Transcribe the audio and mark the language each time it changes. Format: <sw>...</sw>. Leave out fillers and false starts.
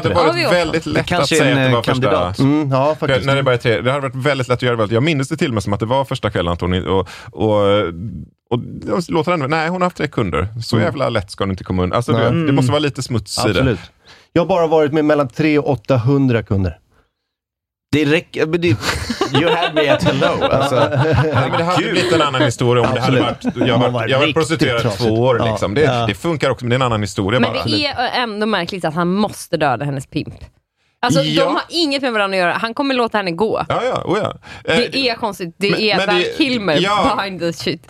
<sv>det. Det hade varit väldigt lätt att säga att det var kandidat. Första. Ja, faktiskt. När det bara är tre. Det hade varit väldigt lätt att göra. Jag minns det till mig som att det var första kvällen, Antonija. Och låter henne, nej, hon har haft tre kunder. Så jävla lätt ska hon inte komma undan. Alltså, det måste vara lite smuts i det. Absolut. Jag har bara varit med mellan 300-800 kunder. Det räcker, men det,</sv> <en>you had me at hello.</en> <sv>Alltså. Men det hade blivit en annan historia om det hade varit, jag har varit prostituerad 2 år. Ja. Liksom. Det funkar också, men det är en annan historia. Men bara. Det är ändå märkligt att han måste döda hennes pimp. Alltså, ja. De har inget med varandra att göra. Han kommer låta henne gå. Ja. Det är konstigt. Det är Val Kilmer</sv> <en>behind the shit.</en>